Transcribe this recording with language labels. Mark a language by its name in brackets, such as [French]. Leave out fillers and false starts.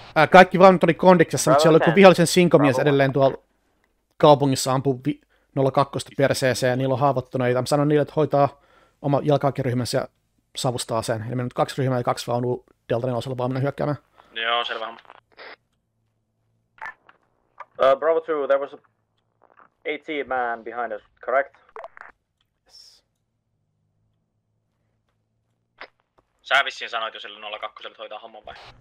[Finnish] Kaikki vaunut oli kondiksessa, mutta siellä oli kuin vihollisen sinkomies edelleen tuolla kaupungissa ampuu 02 perseeseen ja niillä on haavoittuneita. Mä sanon niille, että hoitaa oma jalkaväkiryhmänsä ja savustaa sen. Eli meillä on kaksi ryhmää ja kaksi vaunua Delta 4:lla vaan mennä hyökkäämään. Joo, selvä. [English] Bravo 2, there was an AT man behind us, correct? Yes. [Finnish] Sä vissiin sanoit jo sille 02:lle, että hoitaa homman vai?